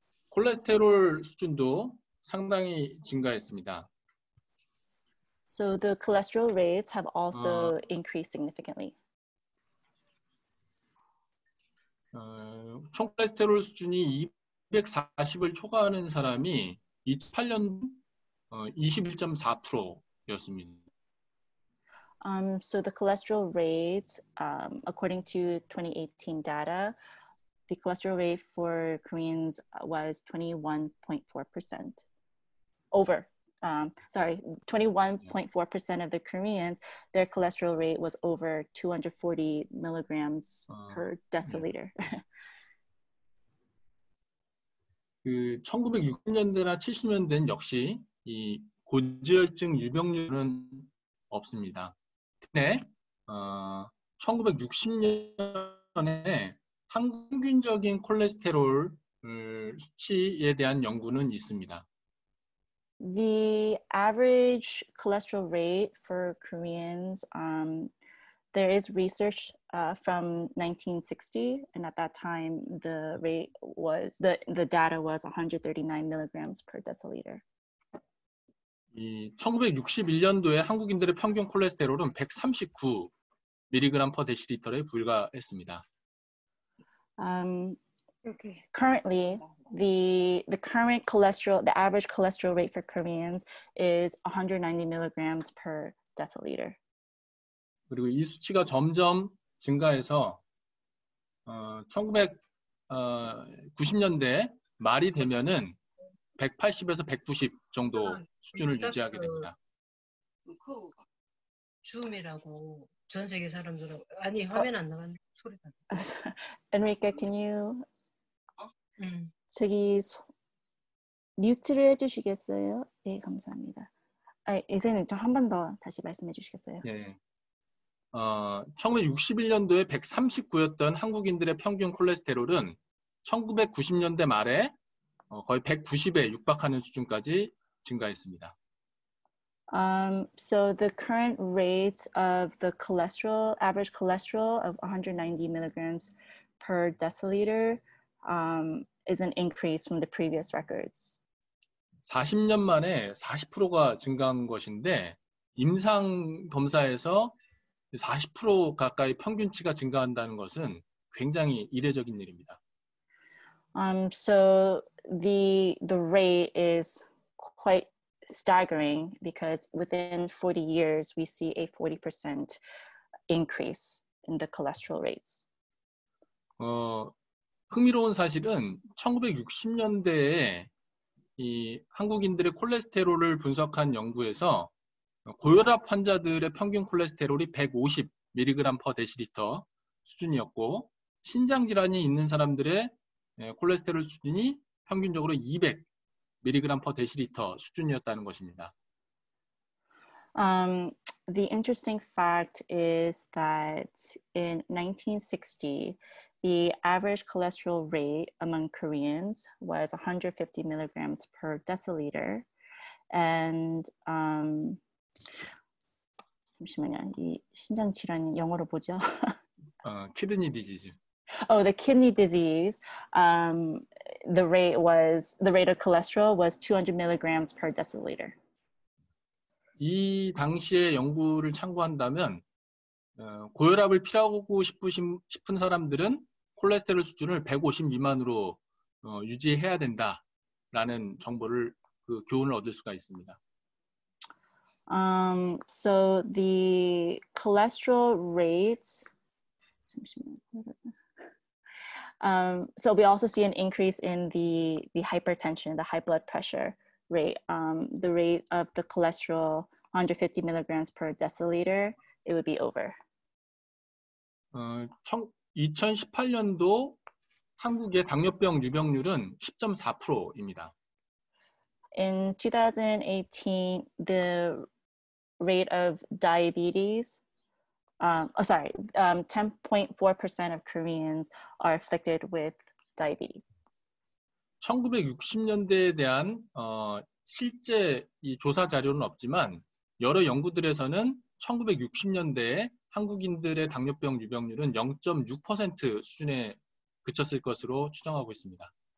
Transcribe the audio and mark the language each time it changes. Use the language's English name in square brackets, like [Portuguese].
[Korean] 콜레스테롤 수준도 상당히 증가했습니다. [English] So the cholesterol rates have also increased significantly. [Korean] 총 콜레스테롤 수준이 240을 초과하는 사람이 2008년 21.4%였습니다. [English] So the cholesterol rate, according to 2018 data, the cholesterol rate for Koreans was 21.4%. Over, sorry, 21.4% of the Koreans, their cholesterol rate was over 240 milligrams per deciliter. [Korean] 그 1960년대나 70년대는 역시 이 고지혈증 유병률은 없습니다. 근데 1960년에 평균적인 콜레스테롤 수치에 대한 연구는 있습니다. The average cholesterol rate for Koreans, there is research from 1960, and at that time the data was 139 milligrams per deciliter. 이 1961년도에 한국인들의 평균 콜레스테롤은 139mg/dL에 불과했습니다. [English] Okay. Currently, the current cholesterol, the average cholesterol rate for Koreans is 190 milligrams per deciliter. [Korean] 그리고 이 수치가 점점 증가해서 1990년대 말이 되면은 180에서 190 정도 수준을 유지하게 됩니다. 줌이라고 전 세계 사람들하고 아니 화면 안 나간 소리 나. Enrique, [English] can you [Korean] 저기 뮤트를 해주시겠어요? 네, 감사합니다. 아, 이제는 저한번더 다시 말씀해 주시겠어요? 네. 1961년도에 139였던 한국인들의 평균 콜레스테롤은 1990년대 말에 거의 190에 육박하는 수준까지 증가했습니다. [English] So the current rate of the cholesterol, average cholesterol of 190 milligrams per deciliter, is an increase from the previous records. [Korean] 40년 만에 40%가 증가한 것인데, 임상 검사에서 40% 가까이 평균치가 증가한다는 것은 굉장히 이례적인 일입니다. [English] So the rate is quite staggering because within 40 years we see a 40% increase in the cholesterol rates. [Korean] 흥미로운 사실은 1960년대에 이 한국인들의 콜레스테롤을 분석한 연구에서 고혈압 환자들의 평균 콜레스테롤이 150mg/dL 수준이었고, 신장질환이 있는 사람들의 콜레스테롤 수준이 평균적으로 200mg/dL 수준이었다는 것입니다. [English] The interesting fact is that in 1960, the average cholesterol rate among Koreans was 150 milligrams per deciliter. [Korean] And 잠시만요, 이 신장 질환 영어로 뭐죠? [English] Kidney disease. Oh, the kidney disease. The rate of cholesterol was 200 milligrams per deciliter. [Korean] 이 당시의 연구를 참고한다면, 고혈압을 피하고 싶은 사람들은 콜레스테롤 수준을 150 미만으로 유지해야 된다라는 정보를 그 교훈을 얻을 수가 있습니다. [English] So the cholesterol rates. So we also see an increase in the hypertension, the high blood pressure rate. The rate of the cholesterol 150 milligrams per deciliter, it would be over. [Korean] 2018년도 한국의 당뇨병 유병률은 10.4%입니다. [English] In 2018, the rate of diabetes, sorry, 10.4% of Koreans are afflicted with diabetes. [Korean] 1960년대에 대한 실제 이 조사 자료는 없지만 여러 연구들에서는 1960년대에 한국인들의 당뇨병 유병률은 0.6% 수준에 그쳤을 것으로 추정하고 있습니다.